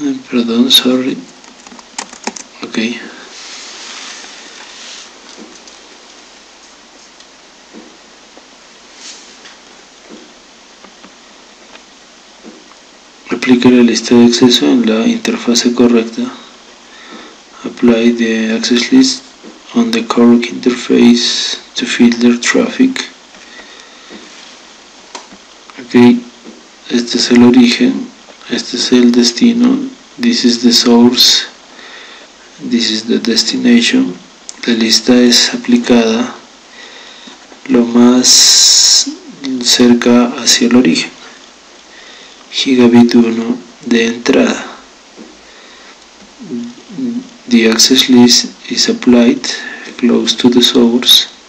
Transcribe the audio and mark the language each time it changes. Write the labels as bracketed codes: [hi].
[es] Perdón, [en] sorry. [es] Ok. Aplique la lista de acceso en la interfase correcta. [en] Apply the access list on the correct interface to filter traffic. [es] Ok, este es el origen, este es el destino. [en] This is the source, this is the destination. [es] La lista es aplicada lo más cerca hacia el origen, gigabit 1 de entrada. [en] The access list is applied close to the source.